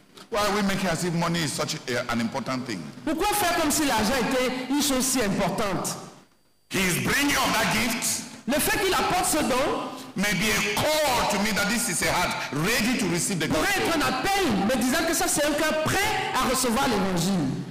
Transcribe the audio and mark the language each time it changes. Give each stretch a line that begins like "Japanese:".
English: Why are we making as if money is such an important thing?
French: Pourquoi faire comme si l'argent était une chose si importante?
English: He's bringing up that gift.
French: Le fait qu'il apporte ce don.
English: Maybe a call to me that this is a heart ready to receive the gospel.
French: Pourrait être un appel me disant que ça c'est un cœur prêt à recevoir l'évangile.